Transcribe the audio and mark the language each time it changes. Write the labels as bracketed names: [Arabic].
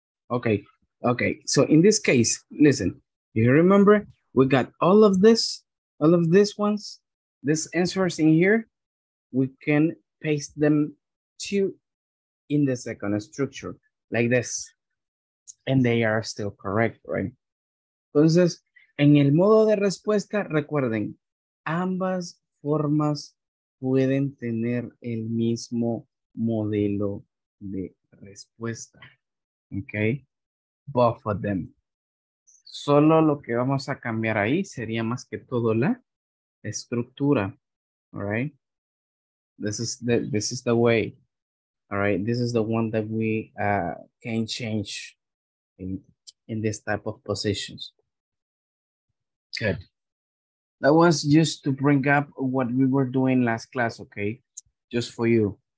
[English] Okay, okay, so in this case, listen, you remember we got all of these ones, these answers in here, we can paste them to in the second structure like this, and they are still correct, right? [Spanish] Entonces, en el modo de respuesta, recuerden, ambas formas pueden tener el mismo modelo de respuesta, okay? [English] Both of them. [Spanish] Solo lo que vamos a cambiar ahí sería más que todo la estructura, all right? [English] This is the way, all right? This is the one that we can change in this type of positions. Good. That was just to bring up what we were doing last class, okay? Just for you.